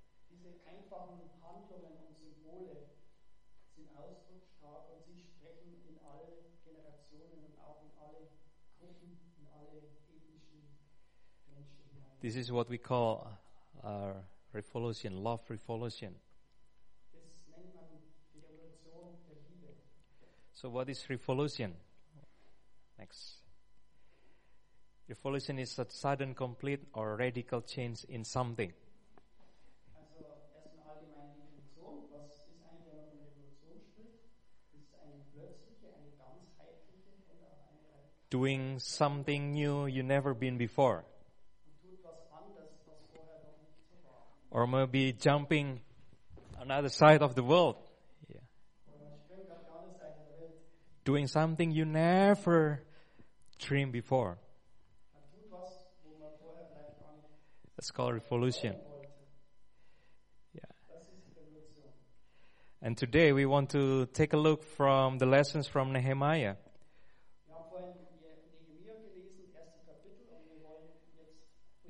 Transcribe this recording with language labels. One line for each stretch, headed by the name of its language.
German: Diese einfachen Handlungen und Symbole sind ausdrucksstark und sie sprechen in alle Generationen und auch in alle Gruppen, in alle ethnischen Menschen.
English: This is what we call our revolution, love revolution.
German: Das nennt man die Revolution der Liebe.
English: So what is revolution? Next. Revolution is a sudden, complete, or radical change in something.
German: Also, erstmal allgemeine Definition. Was ist eigentlich, wenn man von Revolution spricht? Ist eine plötzliche, eine ganzheitliche oder auch eine
English: doing something new you never been before.
German: Und tut was anders, was vorher noch nicht so war.
English: Or maybe jumping another side of the world. Yeah.
German: Oder springt auf die andere Seite der Welt.
English: Doing something you never dreamed before. It's called revolution. Yeah. And today we want to take a look from the lessons from Nehemiah.
German: Wir haben vorhin Nehemiah gelesen, erstes Kapitel, und wir wollen jetzt